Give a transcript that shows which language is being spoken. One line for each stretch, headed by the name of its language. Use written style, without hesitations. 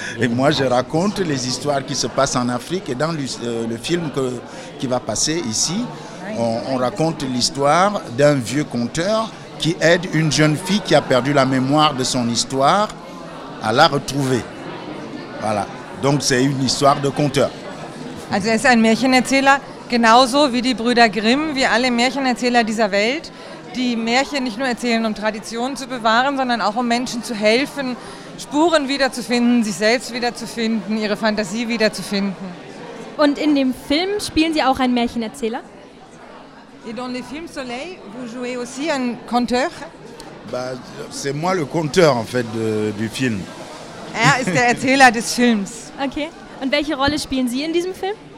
French: Et moi, je raconte les histoires qui se passent en Afrique et dans le film qui va passer ici. On raconte l'histoire d'un vieux conteur qui aide une jeune fille qui a perdu la mémoire de son histoire à la retrouver. Voilà. Donc, c'est une histoire de conteur.
German: Also,
French: c'est un
German: Märchenerzähler. Genauso wie die Brüder Grimm, wie alle Märchenerzähler dieser Welt, die Märchen nicht nur erzählen, um Traditionen zu bewahren, sondern auch um Menschen zu helfen, Spuren wiederzufinden, sich selbst wiederzufinden, ihre Fantasie wiederzufinden. Und in dem Film spielen Sie auch einen Märchenerzähler?
French: Et dans le film Soleil, vous jouez aussi un conteur? Bah, c'est moi le conteur en fait du film.
German: Er ist der Erzähler des Films. Okay. Und welche Rolle spielen Sie in diesem Film?